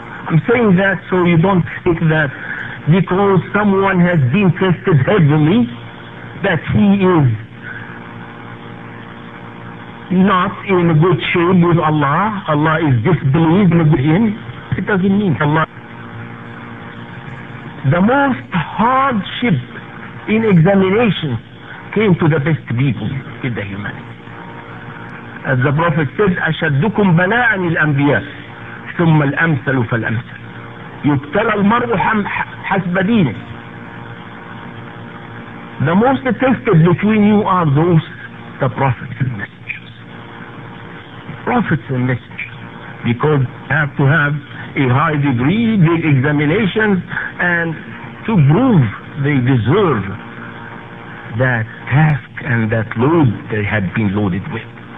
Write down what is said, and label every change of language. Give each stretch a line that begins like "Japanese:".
English: I'm saying that so you don't think that because someone has been tested heavily, that he is not in good shape with Allah. Allah is disbelieved with him. It doesn't mean Allah. The most hardship in examination came to the best people in the humanity. As the Prophet said,
Arabic: أَشَدُّكُمْ بَلَاءً الْأَنْبِيَاءَ ثُمَّ الْأَمْثَلُ فَالْأَمْثَلُ يُبْتَلَى الْمَرْءُ حَسْبَ دِينِهِ.
English: The most tested between you are those, the prophets and messengers. Prophets and messengers. Because they have to have a high degree, big examinations, and to prove they deserve that task and that load they had been loaded with.